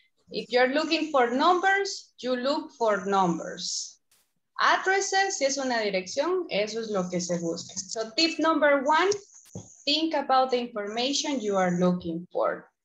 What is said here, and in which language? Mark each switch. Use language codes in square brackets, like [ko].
[en] If you're looking for numbers, you look for numbers. [es] Addresses, si es una dirección, eso es lo que se busca. [en] So tip number one, think about the information you are looking for.